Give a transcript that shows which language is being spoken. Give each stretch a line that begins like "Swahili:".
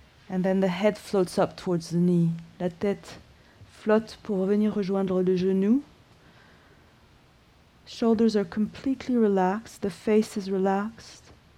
English: And then the head floats up towards the knee.
French: La tête flotte pour venir rejoindre le genou.
English: Shoulders are completely relaxed, the face is relaxed.